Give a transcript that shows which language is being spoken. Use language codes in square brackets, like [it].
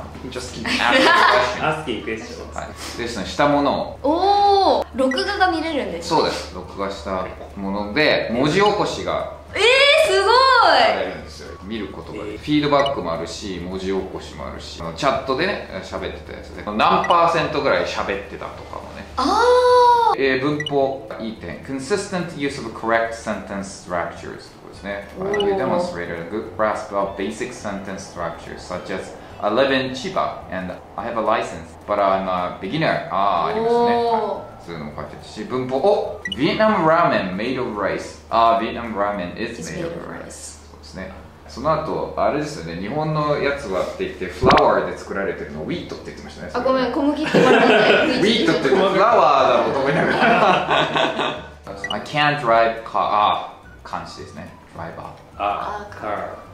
[en] Just keep asking questions. Asking questions. [ja] はい。ですね、したものを。おー、録画が見れるんです。そうです。録画したもので、文字起こしが。すごい。見ることが、フィードバックもあるし、文字起こしもあるし、チャットでね、喋ってたやつで、何パーセントぐらい喋ってたとかもね。文法、いい点。 [en] Consistent use of correct sentence structures [ja] とかですね。 [en] We demonstrated a good grasp of basic sentence structures, such as I live in Chiba and I have a license, but I'm a beginner. [ja] ありますね。文法、 [en] Vietnam ramen made of rice. Vietnam ramen is made of rice. [ja] そうですね。その後、あれですよね、日本のやつはって言って、フラワーで作られてるのを wheat って言ってましたね。あ、ごめん、小麦って言われてない。 wheat ってフラワーだろうと思いながら。 [en] I can't drive car. [ja] 監視ですね。 [en] driver. car.